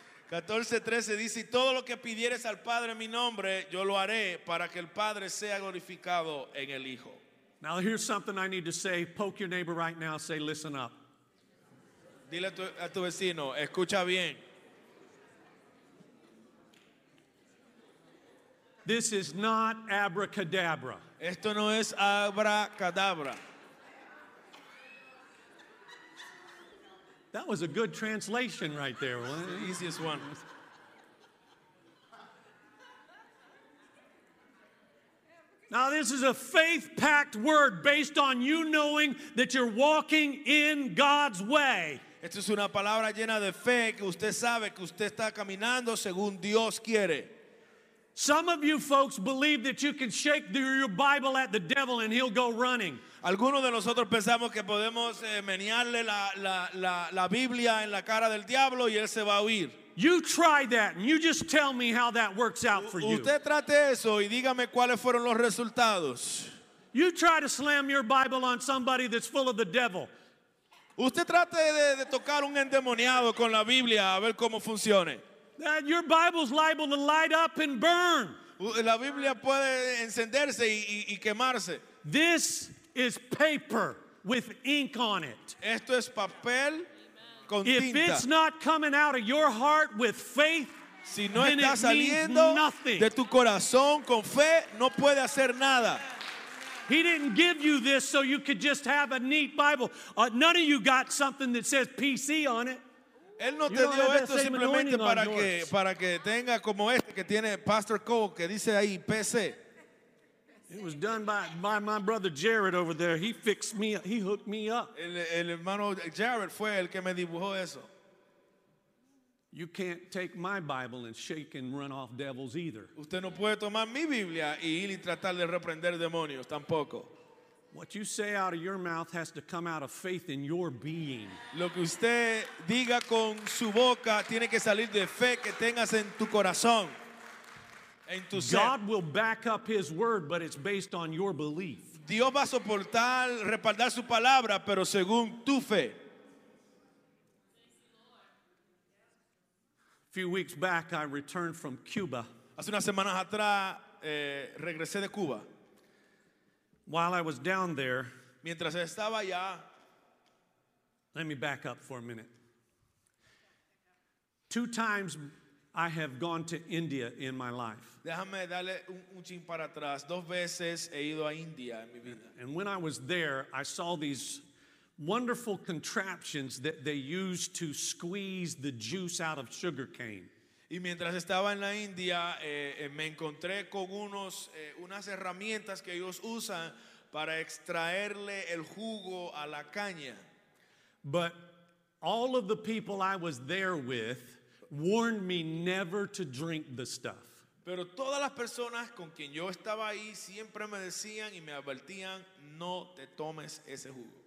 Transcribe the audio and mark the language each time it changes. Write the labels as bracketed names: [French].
[Spanish] 14:13 dice, y todo lo que pidieres al Padre en mi nombre, yo lo haré para que el Padre sea glorificado en el Hijo. [English] Now here's something I need to say. Poke your neighbor right now. Say, listen up. [Spanish] Dile a tu vecino, escucha bien. [English] This is not abracadabra. [Spanish] Esto no es abracadabra. [English] That was a good translation right there. Wasn't it? The easiest one. Now, this is a faith-packed word based on you knowing that you're walking in God's way. [Spanish] Esto es una palabra llena de fe que usted sabe que usted está caminando según Dios quiere. [English] Some of you folks believe that you can shake your Bible at the devil and he'll go running. [Spanish] Algunos de nosotros pensamos que podemos menearle la Biblia en la cara del diablo y él se va a huir. [English] You try that and you just tell me how that works out for you. [Spanish] Usted trate eso y dígame cuáles fueron los resultados. [English] You try to slam your Bible on somebody that's full of the devil. [Spanish] Usted trate de tocar un endemoniado con la Biblia a ver cómo funcione. [English] That your Bible's liable to light up and burn. [Spanish] La Biblia puede encenderse y quemarse. [English] This is paper with ink on it. [Spanish] Esto es papel con tinta. [English] If it's not coming out of your heart with faith, [Spanish] si no [English] then [Spanish] está [English] it [Spanish] saliendo [English] means nothing. [Spanish] De tu corazón con fe, no puede hacer nada. [English] He didn't give you this so you could just have a neat Bible. None of you got something that says PC on it. [Spanish] Él no te dio esto simplemente para que tenga como este que tiene Pastor Cole que dice ahí PC. [English] It was done by my brother Jared over there. He fixed me. He hooked me up. [Spanish] El hermano Jared fue el que me dibujó eso. [English] You can't take my Bible and shake and run off devils either. [Spanish] Usted no puede tomar mi Biblia y ir y tratar de reprender demonios tampoco. [English] What you say out of your mouth has to come out of faith in your being. [Spanish] Lo que usted diga con su boca tiene que salir de fe que tengas en tu corazón. En tu ser. [English] God will back up his word, but it's based on your belief. [Spanish] Dios va a soportar, respaldar su palabra, pero según tu fe. [English] A few weeks back, I returned from Cuba. [Spanish] Hace unas semanas atrás, regresé de Cuba. [English] While I was down there, [Spanish] mientras estaba allá, [English] let me back up for a minute. Two times I have gone to India in my life. [Spanish] Déjame darle un chin para atrás. Dos veces he ido a India en mi vida. [English] And when I was there, I saw these wonderful contraptions that they use to squeeze the juice out of sugar cane. [Spanish] Y mientras estaba en la India, me encontré con unas herramientas que ellos usan para extraerle el jugo a la caña. [English] But all of the people I was there with warned me never to drink the stuff. [Spanish] Pero todas las personas con quien yo estaba ahí siempre me decían y me advertían, no te tomes ese jugo.